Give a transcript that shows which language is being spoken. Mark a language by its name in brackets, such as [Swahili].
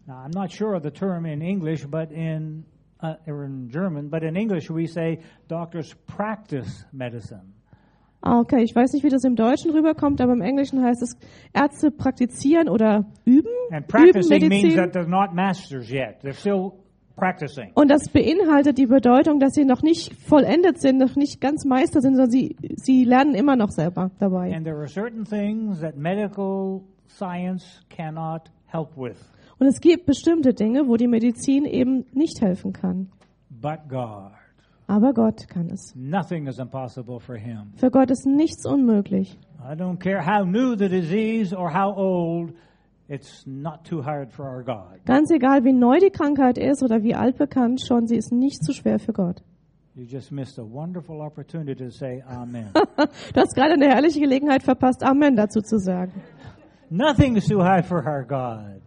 [English] Now, I'm not sure of the term in English, but in German, but in English we say doctors practice medicine. [German] Okay, ich weiß nicht, wie das im Deutschen rüberkommt, aber im Englischen heißt es Ärzte praktizieren oder üben. [English] And practicing üben means that they're not masters yet. They're still practicing. [German] Und das beinhaltet die Bedeutung, dass sie noch nicht vollendet sind, noch nicht ganz Meister sind, sondern sie lernen immer noch selber dabei. [English] And there are certain things that medical science cannot help with. [German] Und es gibt bestimmte Dinge, wo die Medizin eben nicht helfen kann. [English] But God. [German] Aber Gott kann es. [English] Nothing is impossible for him. [German] Für Gott ist nichts unmöglich. [English] I don't care how new the disease or how old. It's not too hard for our God. [German] Ganz egal, wie neu die Krankheit ist oder wie altbekannt, schon sie ist nicht zu schwer für Gott. [English] You just missed a wonderful opportunity to say amen. [German] Du hast gerade eine herrliche Gelegenheit verpasst, Amen dazu zu sagen. [English] Nothing is too hard for our God.